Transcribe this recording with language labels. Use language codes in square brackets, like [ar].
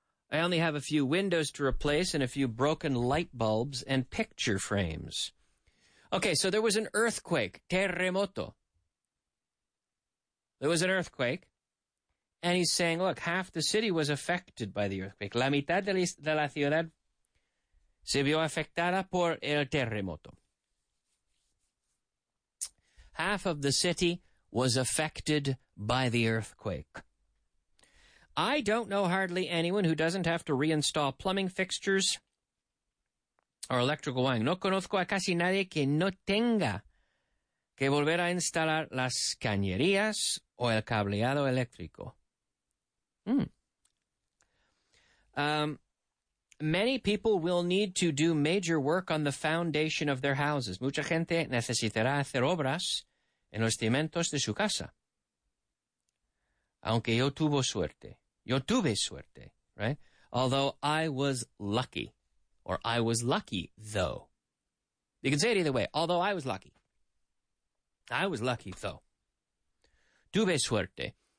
[en] I only have a few windows to replace and a few broken light bulbs and picture frames. Okay, so there was an earthquake, terremoto. There was an earthquake, and he's saying, look, half the city was affected by the earthquake. [es] La mitad de la ciudad se vio afectada por el terremoto. [en] Half of the city was affected by the earthquake. I don't know hardly anyone who doesn't have to reinstall plumbing fixtures or electrical wiring. [es] No conozco a casi nadie que no tenga que volver a instalar las cañerías o el cableado eléctrico. [en] Many people will need to do major work on the foundation of their houses. [es] Mucha gente necesitará hacer obras en los cimientos de su casa. Aunque yo tuve suerte. Yo tuve suerte, right? [en] Although I was lucky. Or I was lucky, though. You can say it either way. Although I was lucky. I was lucky, though. [es] Tuve suerte.